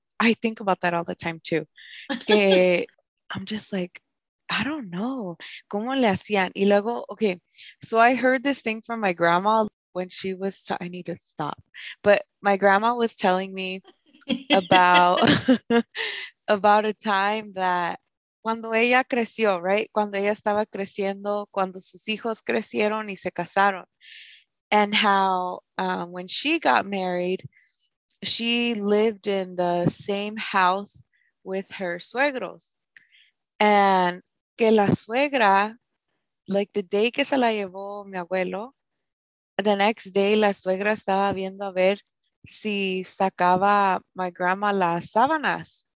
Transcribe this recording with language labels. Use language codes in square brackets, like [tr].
[en] I think about that all the time, too. I'm just like, I don't know. [es] ¿Cómo le hacían? Y luego, [en] okay. So I heard this thing from my grandma when she was. I need to stop. But my grandma was telling me about a time that. [es] Cuando ella creció, right? Cuando ella estaba creciendo, cuando sus hijos crecieron y se casaron. [en] And how when she got married, she lived in the same house with her suegros. [es] And que la suegra, [en] like the day [es] que se la llevó mi abuelo, [en] the next day [es] la suegra estaba viendo a ver si sacaba [en] my grandma [es] las sábanas.